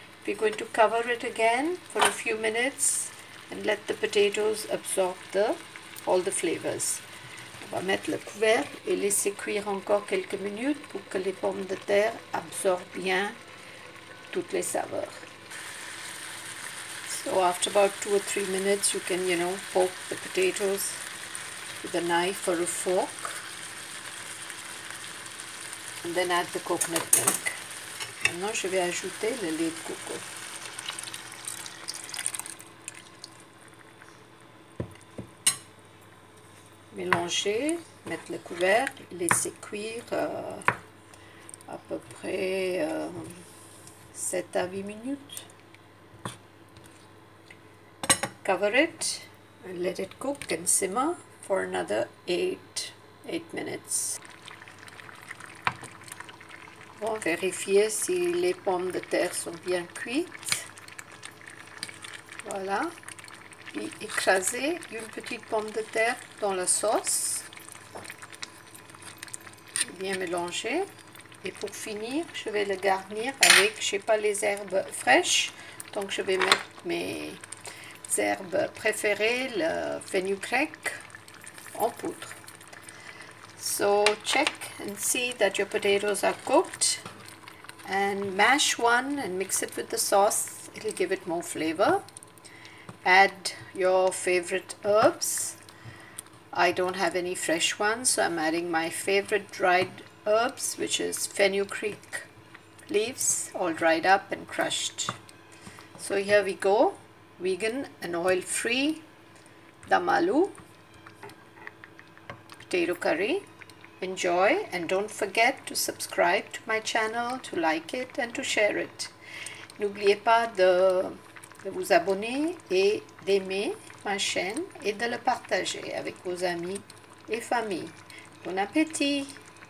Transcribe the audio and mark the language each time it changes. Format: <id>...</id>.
<en>We're going to cover it again for a few minutes and let the potatoes absorb all the flavors.</en> <fr>On va mettre le couvercle et laisser cuire encore quelques minutes pour que les pommes de terre absorbent bien toutes les saveurs.</fr> <en>So after about 2 or 3 minutes, you can, you know, poke the potatoes with a knife or a fork and then add the coconut milk.</en> <fr>Maintenant, je vais ajouter le lait de coco. Mélanger, mettre le couvercle, laisser cuire à peu près 7 à 8 minutes.</fr> <en>Cover it and let it cook and simmer for another 8 minutes.</en> <fr>Bon, vérifier si les pommes de terre sont bien cuites. Voilà. Puis écraser une petite pomme de terre dans la sauce. Bien mélanger. Et pour finir, je vais le garnir avec, je n'ai pas les herbes fraîches, donc je vais mettre mes herbes préférées, le fenugrec, en poudre.</fr> <en>So check and see that your potatoes are cooked and mash one and mix it with the sauce. It'll give it more flavor. Add your favorite herbs. I don't have any fresh ones, so I'm adding my favorite dried herbs, which is fenugreek leaves, all dried up and crushed. So here we go, vegan and oil free Dum Aloo potato curry. Enjoy and don't forget to subscribe to my channel, to like it and to share it.</en> <fr>N'oubliez pas de vous abonner et d'aimer ma chaîne et de le partager avec vos amis et famille. Bon appétit!</fr>